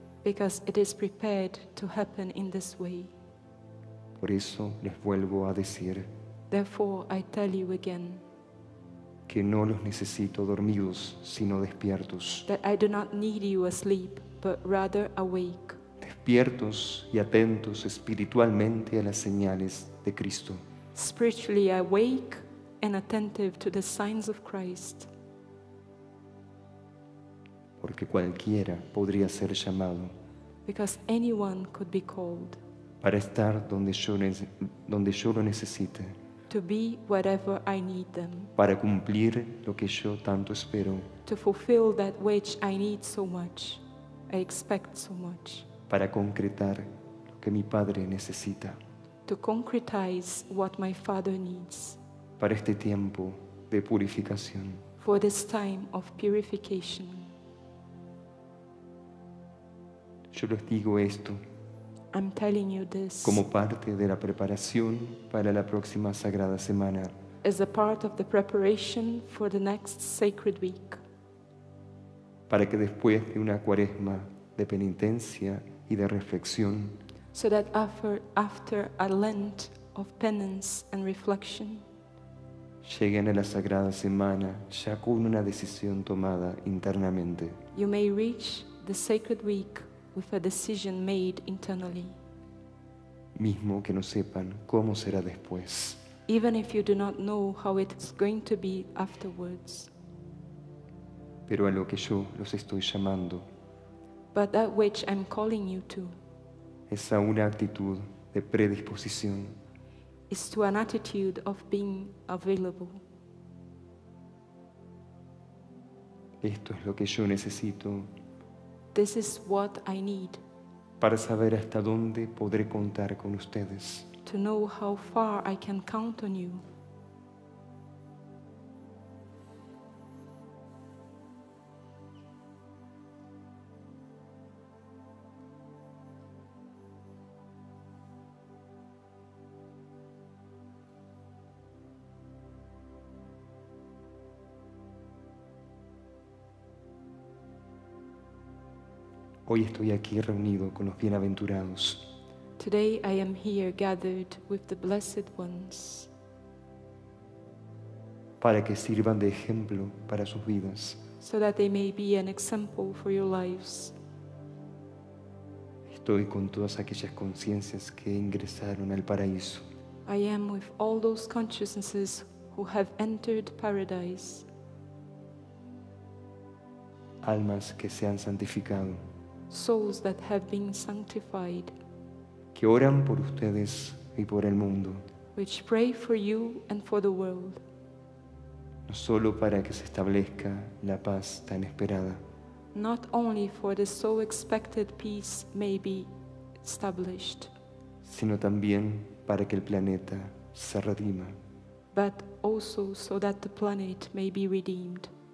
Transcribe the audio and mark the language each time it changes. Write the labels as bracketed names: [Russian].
[English] Because it is prepared to happen in this way. [Spanish] Por eso les vuelvo a decir. [English] Therefore I tell you again. [Spanish] Que no los necesito dormidos, sino despiertos. [English] That I do not need you asleep, but rather awake. [Spanish] Despiertos y atentos espiritualmente a las señales de Cristo. [English] Spiritually awake and attentive to the signs of Christ. [Spanish] Porque cualquiera podría ser llamado. [English] Because anyone could be called. [Spanish] Para estar donde yo lo necesite. [English] To be wherever I need them. [Spanish] Para cumplir lo que yo tanto espero. [English] To fulfill that which I need so much, I expect so much. [Spanish] Para concretar lo que mi padre necesita. [English] To concretize what my father needs. [Spanish] Para este tiempo de purificación. [English] For this time of purification. [Spanish] Yo les digo esto. [English] I'm telling you this. [Spanish] Como parte de la preparación para la próxima Sagrada Semana. [English] As a part of the preparation for the next sacred week. [Spanish] Para que después de una cuaresma de penitencia y de reflexión. [English] So that after a Lent of penance and reflection. [Spanish] Lleguen a la Sagrada Semana ya con una decisión tomada internamente. [English] You may reach the sacred week with a decision made internally. [Spanish] Mismo que no sepan cómo será después. [English] Even if you do not know how it's going to be afterwards. [Spanish] Pero a lo que yo los estoy llamando. [English] But that which I'm calling you to. [Spanish] Es a una actitud de predisposición. [English] Is to an attitude of being available. [Spanish] Esto es lo que yo necesito. [English] This is what I need. [Spanish] Para saber hasta dónde podré contar con ustedes. [English] To know how far I can count on you. [Spanish] Hoy estoy aquí reunido con los bienaventurados. [English] Today I am here gathered with the blessed ones. [Spanish] Para que sirvan de ejemplo para sus vidas. [English] So that they may be an example for your lives. [Spanish] Estoy con todas aquellas conciencias que ingresaron al paraíso. [English] I am with all those consciousnesses who have entered paradise. [Spanish] Almas que se han santificado. [English] Souls that have been sanctified, [Spanish] que oran por ustedes y por el mundo, [English] which pray for you and for the world, [Spanish] no solo para que se establezca la paz tan esperada, [English] not only for the so expected peace may be established, [Spanish] sino también para que el planeta se redima, [English] but also so that the planet may be redeemed.